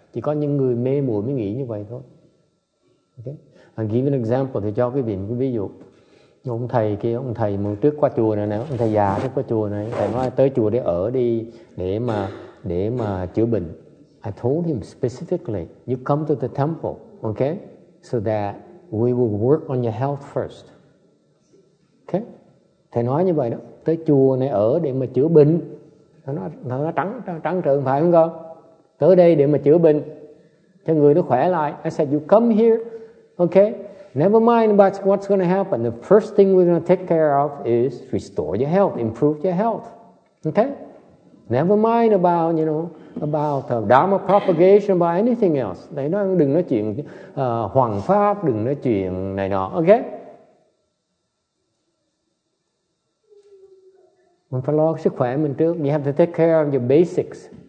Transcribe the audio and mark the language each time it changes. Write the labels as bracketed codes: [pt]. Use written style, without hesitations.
[vi] Chỉ có những người mê muội mới nghĩ như vậy thôi. Okay? [en] I'll give an example. [vi] Thì cho quý vị một ví dụ. Ông thầy kia, ông thầy mới trước qua chùa này nè. Ông thầy già trước qua chùa này. Thầy nói tới chùa để ở đi, để mà chữa bệnh. [en] I told him specifically, you come to the temple, okay? So that we will work on your health first. [vi] Okay? Thầy nói như vậy đó. Tới chùa này ở để mà chữa bệnh. Nó trắng trợn phải không con? Tới đây để mà chữa bệnh cho người nó khỏe lại. [en] I said you come here, okay? Never mind about what's going to happen. The first thing we're going to take care of is restore your health, improve your health, okay? Never mind about dharma propagation, about anything else. [vi] Đấy, nó đừng nói chuyện hoằng pháp, đừng nói chuyện này nọ, okay? Mình phải lo sức khỏe mình trước. [en] You have to take care of your basics.